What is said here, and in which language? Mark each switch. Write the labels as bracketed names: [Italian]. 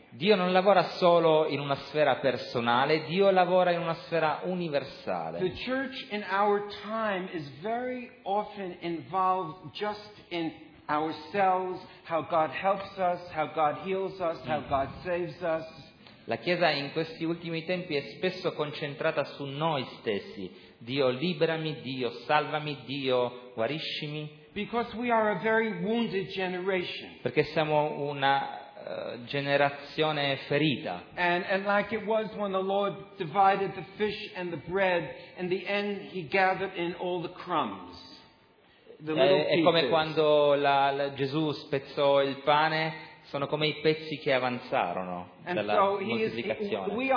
[Italian] Dio non lavora solo in una sfera personale, Dio lavora in una sfera universale. [English] The church in our time is very often involved just in ourselves, how God helps us, how God heals us, how God saves us. [Italian] La Chiesa in questi ultimi tempi è spesso concentrata su noi stessi. Dio liberami, Dio salvami, Dio guariscimi. [English] Because we are a very wounded generation. [Italian] Perché siamo una generazione ferita. [English] And like it was when the Lord divided the fish and the bread, in the end he gathered in all the crumbs. [Italian] È come quando Gesù spezzò il pane, sono come i pezzi che avanzarono dalla moltiplicazione.